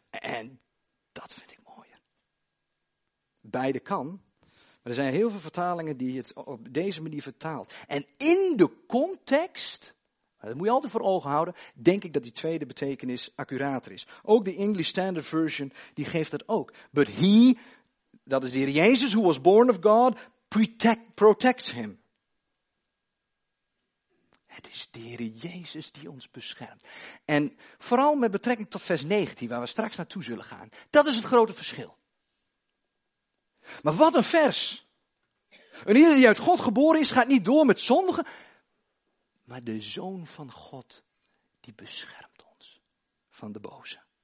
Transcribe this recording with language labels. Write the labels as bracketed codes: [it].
[nl] En dat vind ik mooier. Beide kan. Maar er zijn heel veel vertalingen die het op deze manier vertaalt. En in de context, dat moet je altijd voor ogen houden, denk ik dat die tweede betekenis accurater is. Ook de English Standard Version, die geeft dat ook. [en] But he... [nl] Dat is de Heer Jezus, [en] who was born of God, protects him. [nl] Het is de Heer Jezus die ons beschermt. En vooral met betrekking tot vers 19, waar we straks naartoe zullen gaan. Dat is het grote verschil. Maar wat een vers. Een ieder die uit God geboren is, gaat niet door met zondigen. Maar de Zoon van God, die beschermt ons van de boze.